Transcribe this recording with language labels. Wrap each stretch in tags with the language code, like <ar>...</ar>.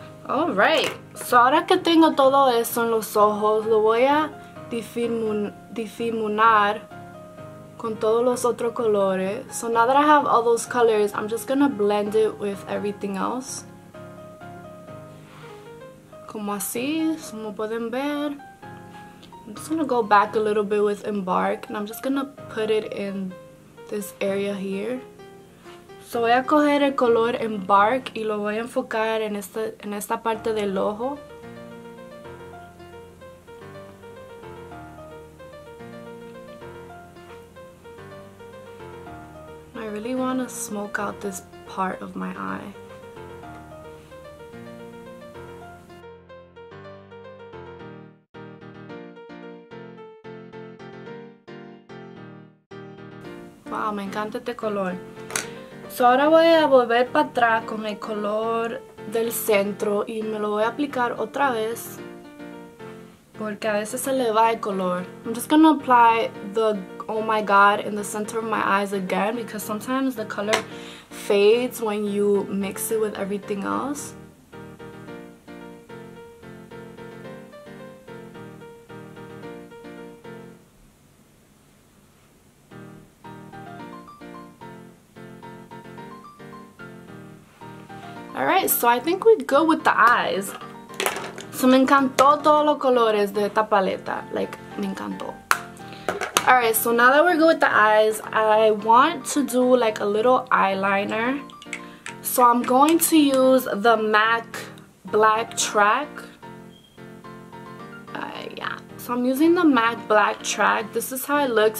<es>All right, so ahora que tengo todo eso en los ojos, lo voy a difuminar con todos los otros colores.</es> <en>So now that I have all those colors, I'm just gonna blend it with everything else.</en> <es>Como así, como pueden ver.</es> <en>I'm just gonna go back a little bit with Embark, and I'm just gonna put it in this area here.</en> <es>So voy a coger el color Embark y lo voy a enfocar en esta parte del ojo.</es> <en>I really want to smoke out this part of my eye.</en> <es>Wow, me encanta este color. So ahora voy a volver para atrás con el color del centro y me lo voy a aplicar otra vez porque a veces se le va el color.</es> <en>I'm just gonna apply the oh my god in the center of my eyes again because sometimes the color fades when you mix it with everything else. Alright, so I think we're good with the eyes.</en> <es>So me encantó todos los colores de esta paleta. Like, me encantó.</es> <en>Alright, so now that we're good with the eyes, I want to do like a little eyeliner. So I'm going to use the MAC Black Track. Yeah. So I'm using the MAC Black Track. This is how it looks.</en>